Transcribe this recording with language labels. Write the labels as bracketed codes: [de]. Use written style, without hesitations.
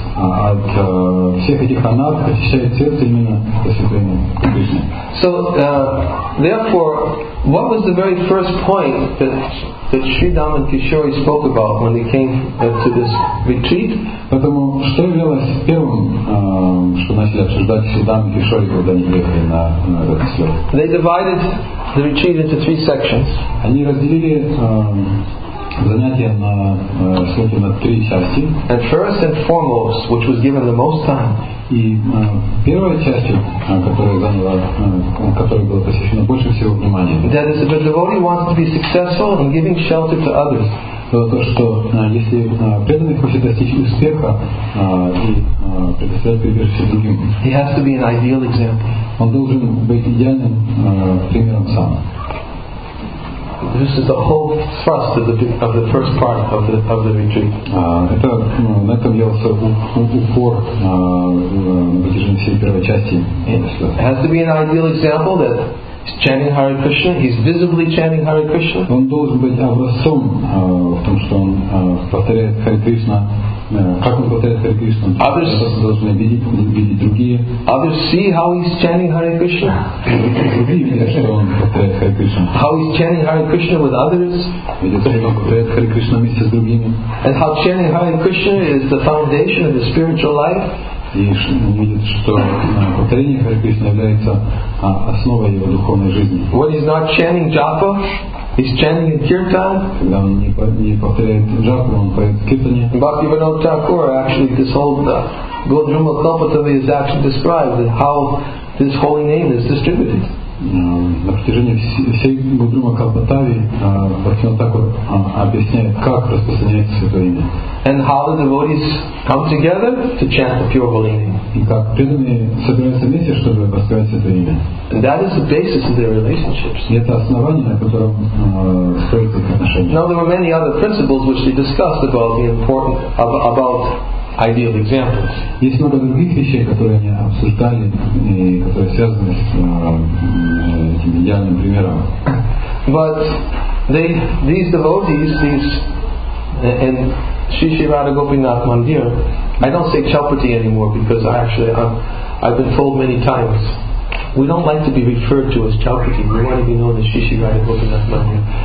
[ru] От всех этих анарх очищает сердце именно это святое имя Кришна. [en] So, therefore, what was the very first point that Sri Dhamma Kishori spoke about when he came to this retreat? [ru] Поэтому, что являлось первым, что начали обсуждать Sri Dhamma Kishori, когда они приехали на этот слет? [en] They divided the retreat into three sections. [ru] Они разделили занятия на слете на три части. [en] And first and foremost, which was given the most time, [ru] и первая часть, которая заняла, которая была посвящена больше всего внимания. [en] That if a devotee wants to be successful in giving shelter to others, [ru] то что если преданный хочет достичь успеха и предоставить прибежище другим, [en] he has to be an ideal example. [ru] Он должен быть идеальным примером сам. [en] This is the whole thrust of the first part of the retreat. [ru] Это на этом делался упор на протяжении всей первой части. [en] It has to be an ideal example that he's chanting Hare Krishna. He's visibly chanting Hare Krishna. [ru] Он должен быть образцом в том, что он повторяет Харе Кришна. Как он повторяет Харе Кришна? [en] Others [ru] должны видеть другие. [en] Others see how he's chanting Hare Krishna. [ru] Другие видят, что он повторяет Харе Кришна. [en] How he's chanting Hare Krishna with others. [ru] Видят, что он повторяет Харе Кришна вместе с другими. [en] And how chanting Hare Krishna is the foundation of the spiritual life. [ru] И видят, что повторение Харе Кришна является основой его духовной жизни. [en] When he's not chanting japa, he's chanting in kirtan. [ru] Когда он не повторяет джапу, он поет в киртане. [en] Bhaktivinoda Thakura, actually, this whole Gaudama Kalpatavi is actually described how this holy name is distributed. [ru] На протяжении всей Гаудама Калпатави Бхактивинода Такура объясняет, как распространяется святое имя. [en] And how the devotees come together to chant the pure holy name. [ru] И как преданные собираются вместе, чтобы воспевать святое имя. [en] And that is the basis of their relationships. [ru] И это основание, на котором строятся их отношения. [en] Now there were many other principles which they discussed about the important about ideal examples. [ru] Есть много других вещей, которые они обсуждали и которые связаны с этим идеальным примером. [en] But these devotees, these and Sri Sri Radha Gopinath Mandir, I don't say Chaupati anymore because I've been told many times We don't like to be referred to as Chalkati. We want to be known as Shishi Radha Gopinath Mandir.